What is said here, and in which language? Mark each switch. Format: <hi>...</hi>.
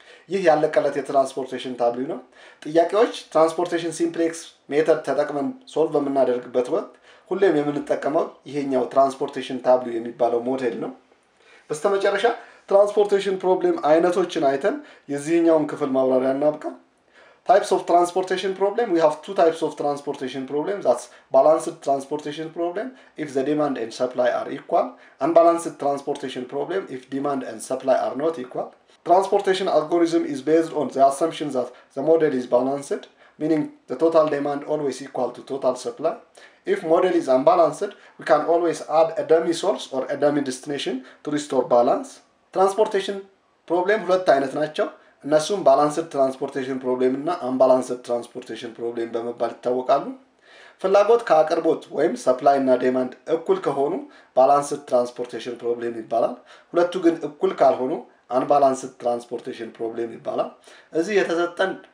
<am>ይህ ያለቀለት የትራንስፖርቴሽን ታብሉ ነው። ጥያቄዎች ትራንስፖርቴሽን ሲምፕሌክስ ሜተድ ተጠቅመን ሶልቭ በመናደርግበት ወቅት ሁሌም የምንጠቀመው ይሄኛው ትራንስፖርቴሽን ታብሉ የሚባለው ሞዴል ነው። በስተመጨረሻ ትራንስፖርቴሽን ፕሮብለም አይነቶችን አይተን የዚህኛውን ክፍል ማብራሪያ እናብቃ።</am> <en>Types of transportation problem. We have two types of transportation problems. That's balanced transportation problem if the demand and supply are equal. Unbalanced transportation problem if demand and supply are not equal. Transportation algorithm is based on the assumption that the model is balanced, meaning the total demand always equal to total supply. If model is unbalanced, we can always add a dummy source or a dummy destination to restore balance.</en> <am>Transportation problem ሁለት አይነት ናቸው። እነሱም balanced transportation problem እና unbalanced transportation problem በመባል ይታወቃሉ። ፍላጎት ከአቅርቦት ወይም supply እና demand እኩል ከሆኑ balanced transportation problem ይባላል። ሁለቱ ግን እኩል ካልሆኑ unbalanced transportation problem ይባላል። እዚህ የተሰጠን</am>